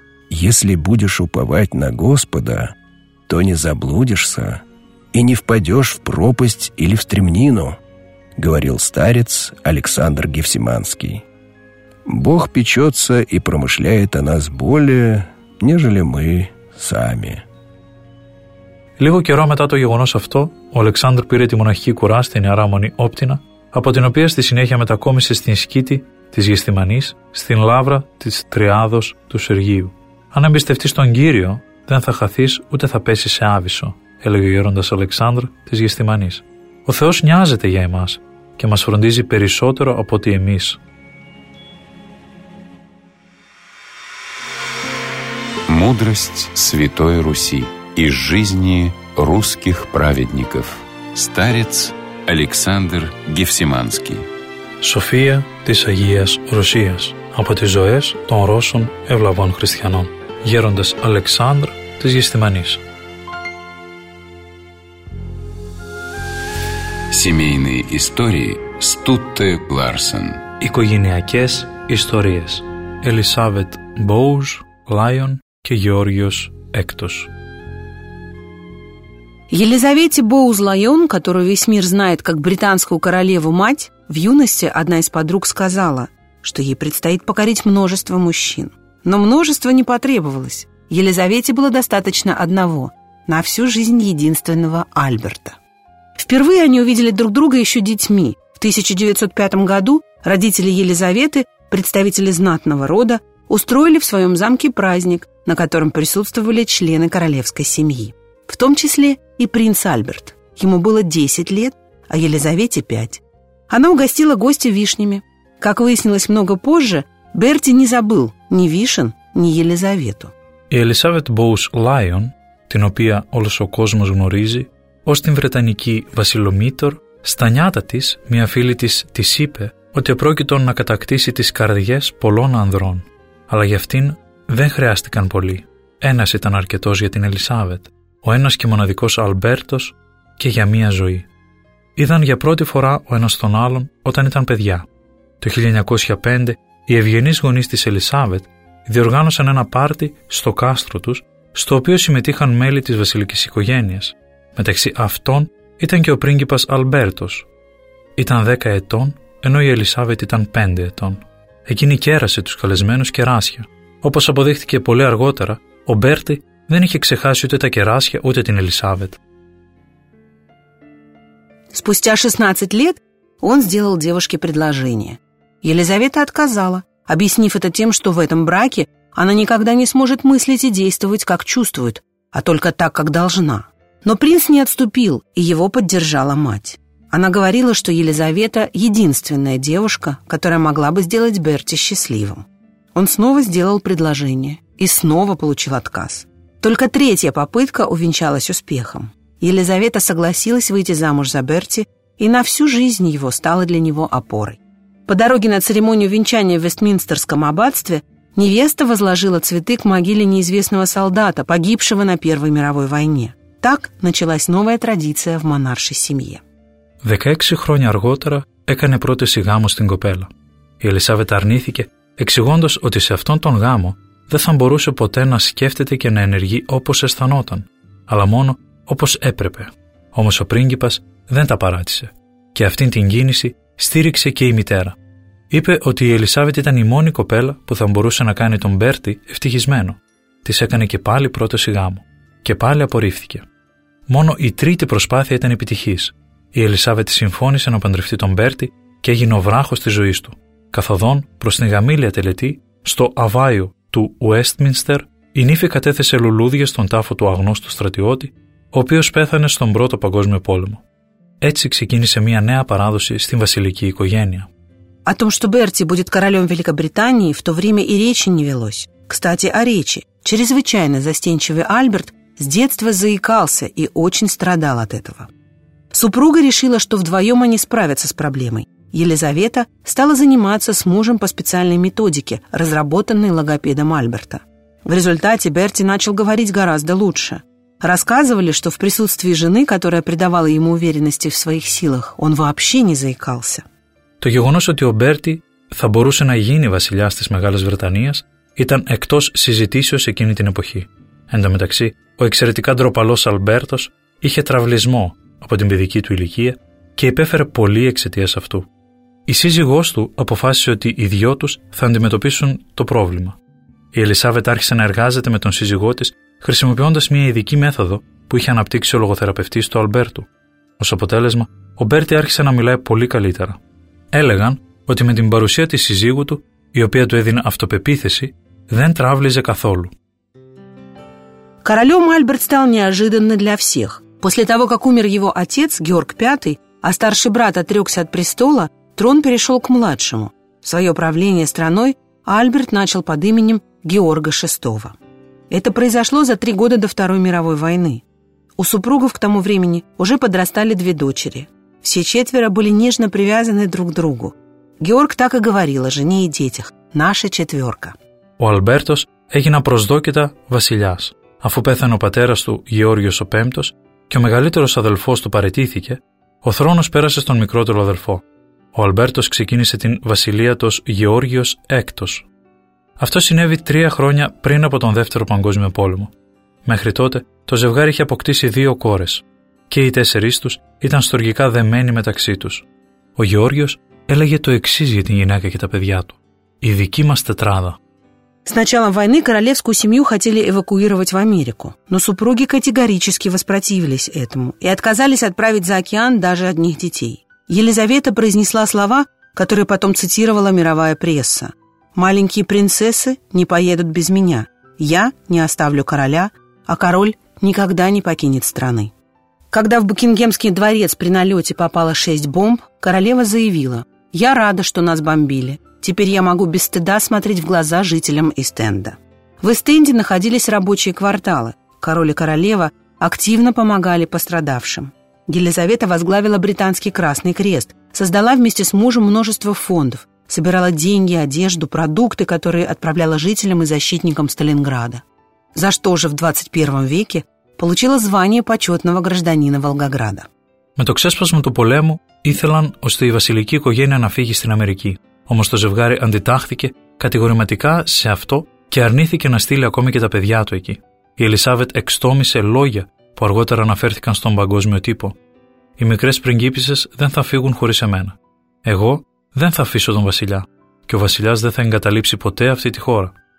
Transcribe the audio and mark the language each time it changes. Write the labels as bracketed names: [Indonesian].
[Russian] «Если будешь уповать на Господа, то не заблудишься и не впадешь в пропасть или в стремнину», говорил старец Александр Гефсиманский. «Бог печется и промышляет о нас более, нежели мы сами». [Greek] Λίγο καιρό μετά το γεγονός αυτό, ο Αλεξάνδρ πήρε τη μοναχική κουρά στην Ιερά Μονή Όπτινα, από την οποία στη συνέχεια μετακόμισε στην σκήτη της Γεσθημανής, στην Λαύρα της Τριάδος του Σεργίου. «Αν εμπιστευτείς τον Κύριο, δεν θα χαθείς ούτε θα πέσεις σε άβυσο», έλεγε ο γέροντας Αλεξάνδρ της Γεσθημανής. «Ο Θεός νοιάζεται για εμάς και μας φροντίζει περισσότερο από ότι εμείς». [Russian] Мудрость Святой Руси из жизни русских праведников. Старец Александр Гефсиманский. [Greek] Σοφία της Αγίας Ρωσίας από τις ζωές των Ρώσων ευλαβών χριστιανών. Γέροντας Αλεξάνδρ της Γεσθημανής. [Russian] Семейные истории Стутте Ларсен. [Greek] Οικογενειακές ιστορίες Ελισάβετ Μπόουζ Λάιον και Γεώργιος Έκτος. [Russian] Елизавете Боуз-Лайон, которую весь мир знает как британскую королеву-мать, в юности одна из подруг сказала: что ей предстоит покорить множество мужчин. Но множество не потребовалось. Елизавете было достаточно одного – на всю жизнь единственного Альберта. Впервые они увидели друг друга еще детьми. В 1905 году родители Елизаветы, представители знатного рода, устроили в своем замке праздник, на котором присутствовали члены королевской семьи. В том числе и принц Альберт. Ему было 10 лет, а Елизавете 5. Она угостила гостя вишнями. Как выяснилось много позже, Берти не забыл ни вишен, ни Елизавету. [Greek] Η Elizabeth Bowes Lyon, την οποία όλος ο κόσμος γνωρίζει, ως την Βρετανική βασιλομήτωρ, στα νιάτα της, μια φίλη της της είπε ότι επρόκειτο να κατακτήσει τις καρδιές πολλών ανδρών. Αλλά για αυτήν δεν χρειάστηκαν πολλοί. Ένας ήταν αρκετός για την Elizabeth, ο ένας και μοναδικός Αλμπέρτος και για μια ζωή. Είδαν για πρώτη φορά ο ένας τον άλλον όταν ήταν παιδιά. Το 1905 οι ευγενείς γονείς της Elizabeth διοργάνωσαν ένα πάρτι στο κάστρο τους, στο οποίο συμμετείχαν μέλη της βασιλικής οικογένειας. Μεταξύ αυτών ήταν και ο πρίγκιπας Αλμπέρτος. Ήταν 10 ετών, ενώ η Elizabeth ήταν 5 ετών. Εκείνη κέρασε τους καλεσμένους κεράσια. Όπως αποδείχθηκε πολύ αργότερα, ο Μπέρτι δεν είχε ξεχάσει ούτε τα κεράσια ούτε την Elizabeth. [Russian] Спустя 16 лет он сделал девушке предложение. Елизавета отказала, объяснив это тем, что в этом браке она никогда не сможет мыслить и действовать, как чувствует, а только так, как должна. Но принц не отступил, и его поддержала мать. Она говорила, что Елизавета – единственная девушка, которая могла бы сделать Берти счастливым. Он снова сделал предложение и снова получил отказ. Только третья попытка увенчалась успехом. Елизавета согласилась выйти замуж за Берти, и на всю жизнь его стала для него опорой. По дороге на церемонию венчания в Вестминстерском аббатстве невеста возложила цветы к могиле неизвестного солдата, погибшего на Первой мировой войне. Так началась новая традиция в монаршей семье. [Greek] 16 χρόνια αργότερα έκανε πρόταση γάμου στην κοπέλα. Η Elizabeth αρνήθηκε, εξηγώντας ότι σε αυτόν τον γάμο δεν θα μπορούσε ποτέ να σκέφτεται και να ενεργεί όπως αισθανόταν, αλλά μόνο όπως έπρεπε. Όμως ο πρίγκιπας δεν τα παράτησε. Και αυτήν την κίνηση στήριξε και η μητέρα. Είπε ότι η Elizabeth ήταν η μόνη κοπέλα που θα μπορούσε να κάνει τον Μπέρτι ευτυχισμένο. Της έκανε και πάλι πρόταση γάμου. Και πάλι απορρίφθηκε. Μόνο η τρίτη προσπάθεια ήταν επιτυχής. Η Elizabeth συμφώνησε να παντρευτεί τον Μπέρτι και έγινε ο βράχος της ζωής του. Καθοδόν προς την γαμήλια τελετή, στο Αβάιο του Westminster, η νύφη κατέθεσε λουλούδια στον τάφο του αγνώστου στρατιώτη, ο οποίος πέθανε στον Πρώτο Παγκόσμιο Πόλεμο. Έτσι ξεκίνησε μια νέα παράδοση στην βασιλική οικογένεια. [Russian] О том, что Берти будет королем Великобритании, в то время и речи не велось. Кстати, о речи. Чрезвычайно застенчивый Альберт с детства заикался и очень страдал от этого. Супруга решила, что вдвоем они справятся с проблемой. Елизавета стала заниматься с мужем по специальной методике, разработанной логопедом Альберта. В результате Берти начал говорить гораздо лучше. Рассказывали, что в присутствии жены, которая придавала ему уверенности в своих силах, он вообще не заикался. [Greek] Το γεγονός ότι ο Μπέρτι θα μπορούσε να γίνει βασιλιάς της Μεγάλης Βρετανίας ήταν εκτός συζητήσεως εκείνη την εποχή. Εν τω μεταξύ, ο εξαιρετικά ντροπαλός Αλμπέρτος είχε τραυλισμό από την παιδική του ηλικία και υπέφερε πολύ εξαιτίας αυτού. Η σύζυγός του αποφάσισε ότι οι δυο τους θα αντιμετωπίσουν το πρόβλημα. Η Elizabeth άρχισε να εργάζεται με τον σύζυγό της, χρησιμοποιώντας μια ειδική μέθοδο που είχε αναπτύξει ο λογοθεραπευτής του Αλμπέρτου. Ως αποτέλεσμα, ο Μπέρτι άρχισε να μιλάει πολύ καλύτερα. Έλεγαν ότι με την παρουσία της σύζυγου του, η οποία του έδινε αυτοπεποίθηση, δεν τραύλιζε καθόλου. [Russian] Королём Альберт стал неожиданно для всех. После того, как умер его отец, Георг V, а старший брат отрёкся от престола, трон перешёл к младшему. Своё правление страной Альберт начал под именем Георга VI. Это произошло за 3 года до Второй мировой войны. У супругов к тому времени уже подрастали 2 дочери. Все 4 были нежно привязаны друг к другу. Георг так и говорил о жене и детях. Наша 4. [Greek] Ο Αλμπέρτος έγινε προσδόκητα βασιλιάς. Αφού πέθανε ο πατέρας του, Γεώργιος ο Πέμπτος, και ο μεγαλύτερος αδελφός του παραιτήθηκε, ο θρόνος πέρασε στον μικρότερο αδελφό. Ο Αλμπέρτος ξεκίνησε την βασιλεία του Γεώργιος VI. Αυτό συνέβη 3 χρόνια πριν από τον Δεύτερο Παγκόσμιο Πόλεμο. Μέχρι τότε το ζευγάρι είχε αποκτήσει 2 κόρες. Και οι 4 τους ήταν στοργικά δεμένοι μεταξύ τους. Ο Γεώργιος έλεγε το εξής για την γυναίκα και τα παιδιά του. и дική мας тетράδα. [Russian] С началом войны королевскую семью хотели эвакуировать в Америку, но супруги категорически воспротивились этому и отказались отправить за океан даже одних детей. Елизавета произнесла слова, которые потом цитировала мировая пресса. «Маленькие принцессы не поедут без меня. Я не оставлю короля, а король никогда не покинет страны». Когда в Букингемский дворец при налете попало 6 бомб, королева заявила: «Я рада, что нас бомбили. Теперь я могу без стыда смотреть в глаза жителям Ист-Энда». В Ист-Энде находились рабочие кварталы. Король и королева активно помогали пострадавшим. Елизавета возглавила британский Красный Крест, создала вместе с мужем множество фондов, собирала деньги, одежду, продукты, которые отправляла жителям и защитникам Сталинграда. За что же в 21 веке получила звание почетного гражданина Волгограда. [Greek] Με το ξέσπασμα του πολέμου ήθελαν ώστε η βασιλική οικογένεια να φύγει στην Αμερική. Όμως το ζευγάρι αντιτάχθηκε κατηγορηματικά σε αυτό και αρνήθηκε να στείλει ακόμη και τα παιδιά του εκεί. Η Ελισάβετ εξτόμησε λόγια που αργότερα αναφέρθηκαν στον παγκόσμιο τύπο. «Οι μικρές πριγκίπισσες δεν θα φύγουν χωρίς εμένα. Εγώ δεν θα αφήσω τον βασιλιά και ο βασιλιάς δεν θα εγκαταλείψει ποτέ αυτή τη χώρα».